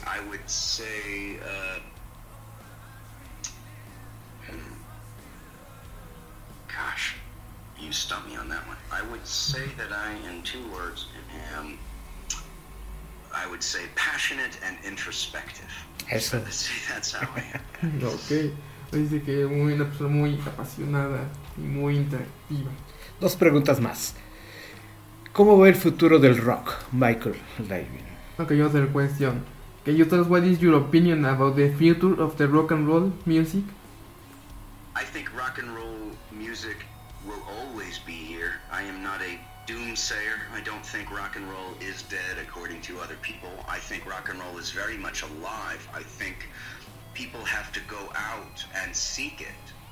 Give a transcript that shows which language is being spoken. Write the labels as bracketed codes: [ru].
[en] I would say, gosh, you stumped me on that one. I would say that I, in two words, am, I would say passionate and introspective. Excellent. See, that's how I am. Okay. [es] Dice que es una persona muy apasionada y muy interactiva. Dos preguntas más. ¿Cómo ve el futuro del rock, Michael Levin? Okay, otra cuestión. [en] Can you tell us what is your opinion about the future of the rock and roll music? I think rock and roll music will always be here. I am not a doomsayer. I don't think rock and roll is dead according to other people. I think rock and roll is very much alive. I think people have to go out and seek it.